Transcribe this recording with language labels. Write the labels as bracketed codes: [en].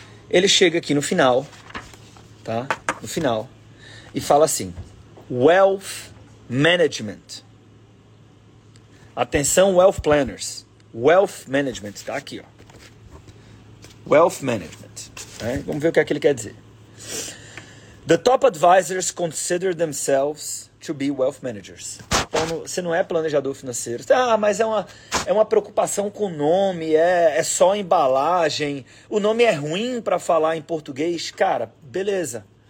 [pt] Ele chega aqui no final, tá? No final, e fala assim, Wealth Management. Atenção, Wealth Planners. Wealth Management, tá aqui, ó. Wealth Management. Né? Vamos ver o que é que ele quer dizer. [en] The top advisors consider themselves to be wealth managers. [pt] Então, você não é planejador financeiro. Ah, mas é uma preocupação com o nome, é só embalagem. O nome é ruim para falar em português. Cara, beleza.